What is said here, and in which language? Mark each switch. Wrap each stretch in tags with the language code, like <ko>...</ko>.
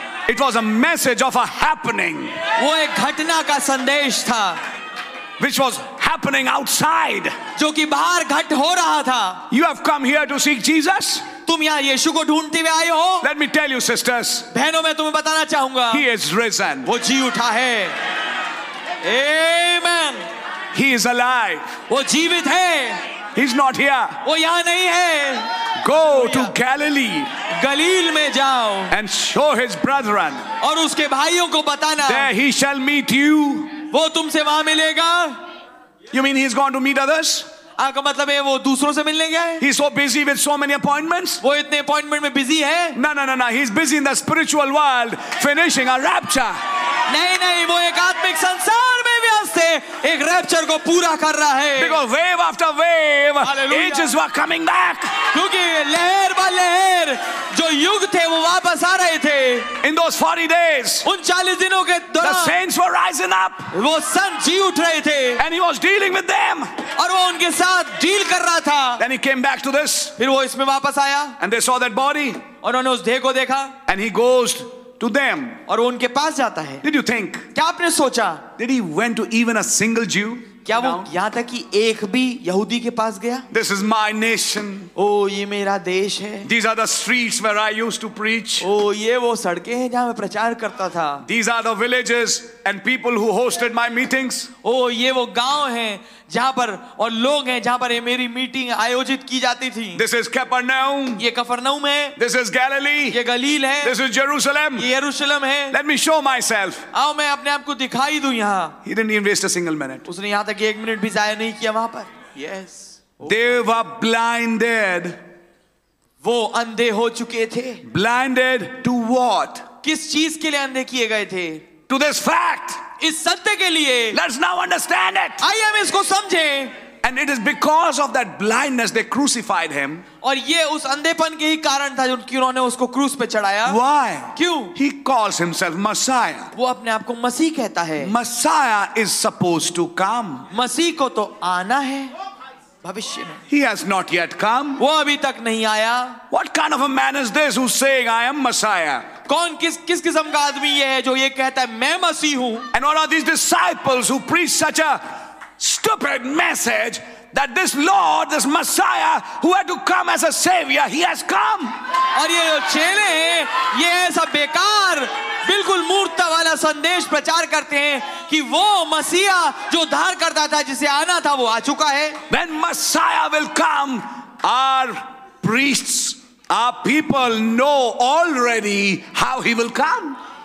<en>It was a message of a happening.</en> <hi>वो एक घटना का संदेश था.</hi> <en>Which was happening outside.</en> <hi>जो कि बाहर घट हो रहा था.</hi> <en>You have come here to seek Jesus.</en> <hi>तुम यहाँ यीशु को ढूंढते हुए आए हो.</hi> <en>Let me tell you, sisters.</en> <hi>बहनों मैं तुम्हें बताना चाहूँगा.</hi> <en>He is risen.</en> <hi>वो जी उठा है. Amen.</hi> <en>He is alive.</en> <hi>वो जीवित है.</hi> <en>He's not here.</en> <hi>वो यहाँ नहीं है.</hi> <en>Go to Galilee.</en> <hi>गलील में जाओ.</hi> <en>And show his brethren.</en> <hi>और उसके भाइयों को बताना.</hi> <en>There he shall meet you.</en> <hi>वो तुमसे वहां मिलेगा.</hi> <en>You mean he's gone to meet others?</en> <hi>आपका मतलब है वो दूसरों से मिलने गया है?</hi> <en>He's so busy with so many appointments.</en> <hi>वो इतने अपॉइंटमेंट में बिजी है?</hi> <en>No. He's busy in the spiritual world finishing a rapture.</en> <hi>नहीं, वो एक आत्मिक संसार में व्यस्त है, एक रैप्चर को पूरा कर रहा है.</hi> <en>Because wave after wave, ages were coming back.</en> <hi>क्योंकि लहर बा लहर जो युग थे वो वापस आ रहे थे.</hi> <en>In those 40 days,</en> <hi>उन 40 दिनों के दौरान,</hi> <en>the saints were rising up.</en> <hi>वो संत जी उठ रहे थे.</hi> <en>And he was dealing with them.</en> <hi>और वो उनके साथ डील कर रहा था.</hi> <en>Then he came back to this.</en> <hi>फिर वो इसमें वापस आया.</hi> <en>And they saw that body.</en> <hi>और उन्होंने उस देह को देखा.</hi> <en>And he goes to them.</en> <hi>और उनके पास जाता है.</hi> <en>Did you think?</en> <hi>क्या आपने सोचा?</hi> <en>Did he went to even a single Jew?</en> <hi>क्या वो यहाँ तक कि एक भी यहूदी के पास गया?</hi> <en>This is my nation.</en> <hi>ओ ये मेरा देश है.</hi> <en>These are the streets where I used to preach.</en> <hi>ओ ये वो सड़कें हैं जहाँ मैं प्रचार करता था.</hi> <en>These are the villages and people who hosted my meetings.</en> <hi>ओ ये वो गांव हैं जहाँ पर और लोग हैं जहाँ पर ये मेरी मीटिंग आयोजित की जाती थी.</hi> <en>This is Capernaum.</en> <hi>ये कफरनहूम है.</hi> <en>This is Galilee.</en> <hi>ये गलील है.</hi> <en>This is Jerusalem.</en> <hi>ये यरूशलेम है.</hi> <en>Let me show myself.</en> <hi>आओ मैं अपने आप को दिखाई दूँ यहाँ.</hi> <en>He didn't even waste a single minute.</en> <hi>उसने यहाँ तक एक मिनट भी जाया नहीं किया वहाँ पर.</hi> <en>Yes. They were blinded.</en> <hi>वो अंधे हो चुके थे.</hi> <en>Blinded to what?</en> <hi>किस चीज के लिए अंधे किए गए थे?</hi> <en>to this fact.</en> <hi>इस सत्य के लिए.</hi> <en>Let's now understand it.</en> <hi>आइए हम इसको समझें.</hi> <en>And it is because of that blindness they crucified him.</en> <hi>और ये उस अंधेपन के ही कारण था जब उन्होंने उसको क्रूस पे चढ़ाया.</hi> <en>Why?</en> <hi>क्यों?</hi> <en>He calls himself Messiah.</en> <hi>वो अपने आप को मसीह कहता है.</hi> <en>Messiah is supposed to come.</en> <hi>मसीह को तो आना है. भविष्य में.</hi> <en>He has not yet come.</en> <hi>वो अभी तक नहीं आया.</hi> <en>What kind of a man is this who's saying I am Messiah?</en> <hi>कौन किस किस्म का आदमी ये है जो ये कहता है मैं मसीह हूँ?</hi> <en>And what are these disciples who preach such a stupid message that this Lord, this Messiah, who had to come as a savior, he has come.</en> <hi>और ये जो चेले हैं, ये ऐसा बेकार, बिल्कुल मूर्ता वाला संदेश प्रचार करते हैं कि वो मसीहा जो धार करता था, जिसे आना था, वो आ चुका है.</hi> <en>When Messiah will come, our priests, our people know already how he will come.</en>